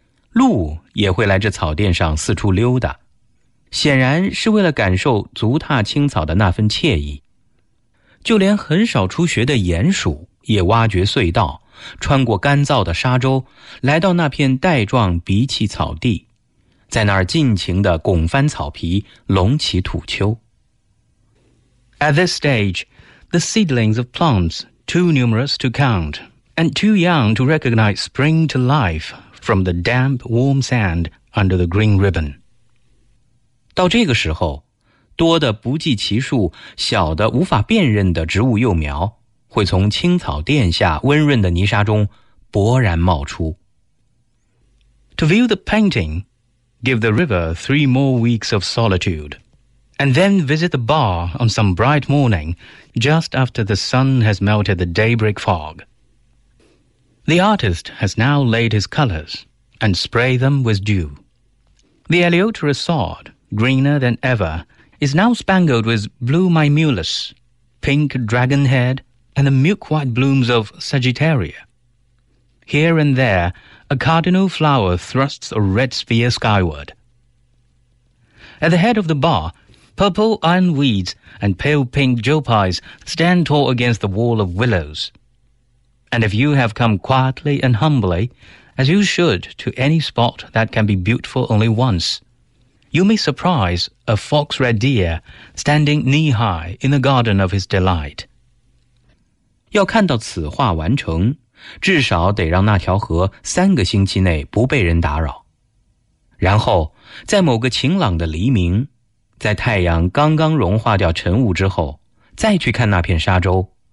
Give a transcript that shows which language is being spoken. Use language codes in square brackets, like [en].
[zh] 鹿也会来这草甸上四处溜达，显然是为了感受足踏青草的那份惬意。就连很少出穴的鼹鼠也挖掘隧道，穿过干燥的沙洲，来到那片带状鼻气草地，在那儿尽情地拱翻草皮，隆起土丘。 [en] At this stage, the seedlings of plants, too numerous to count, and too young to recognize, spring to life from the damp, warm sand under the green ribbon. [zh] 到这个时候，多的不计其数，小的无法辨认的植物幼苗会从青草垫下温润的泥沙中勃然冒出。 [en] To view the painting, give the river 3 more weeks of solitude, and then visit the bar on some bright morning, just after the sun has melted the daybreak fog. The artist has now laid his colors and sprayed them with dew. The Eleuterus sod, greener than ever, is now spangled with blue mimulus, pink dragon head,and the milk-white blooms of Sagittaria. Here and there, a cardinal flower thrusts a red sphere skyward. At the head of the bar, purple iron weeds and pale pink jopis stand tall against the wall of willows. And if you have come quietly and humbly, as you should, to any spot that can be beautiful only once, you may surprise a fox-red deer standing knee-high in the garden of his delight. [zh] 要看到此画完成，至少得让那条河3个星期内不被人打扰。然后，在某个晴朗的黎明，在太阳刚刚融化掉晨雾之后，再去看那片沙洲。